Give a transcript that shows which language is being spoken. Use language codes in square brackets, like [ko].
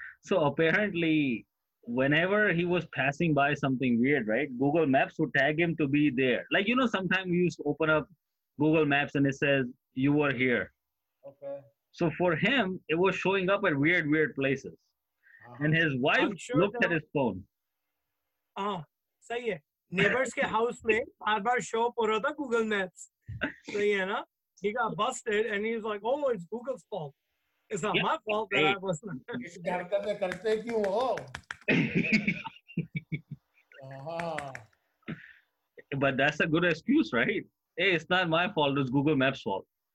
[en] Apparently whenever he was passing by something weird, right? Google Maps would tag him to be there. Like, you know, sometimes you open up Google Maps and it says you were here. Okay. So for him, it was showing up at weird, weird places. And his wife looked at his phone. [hi] सही है. Neighbors के house में बार बार [en] show up [hi] हो रहा था Google Maps. सही है ना? [en] He got busted and he's like, oh, it's Google's fault. It's not my fault that I wasn't. But that's a good excuse, right? Hey, it's not my fault, it's Google Maps' fault.